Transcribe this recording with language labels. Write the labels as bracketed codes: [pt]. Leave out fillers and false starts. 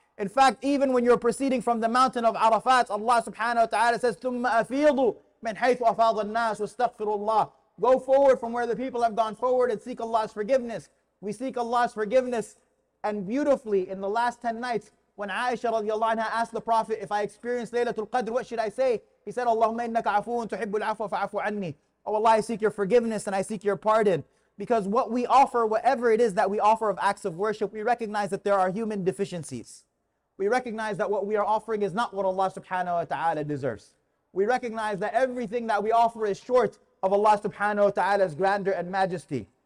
[en] In fact, even when you're proceeding from the mountain of Arafat, Allah subhanahu wa ta'ala says, [ar] ثُمَّ أَفِيضُ مِنْ حَيْثُ أَفَاضَ النَّاسُ وَاسْتَغْفِرُ اللَّهُ. [en] Go forward from where the people have gone forward and seek Allah's forgiveness. We seek Allah's forgiveness. And beautifully, in the last 10 nights, when Aisha radiallahu anha asked the Prophet, if I experience Laylatul Qadr, what should I say? He said, [ar] اللهم إنك عفو تحب العفو فعفو عني. [en] Oh Allah, I seek your forgiveness and I seek your pardon. Because what we offer, whatever it is that we offer of acts of worship, we recognize that there are human deficiencies. We recognize that what we are offering is not what Allah subhanahu wa ta'ala deserves. We recognize that everything that we offer is short of Allah subhanahu wa ta'ala's grandeur and majesty.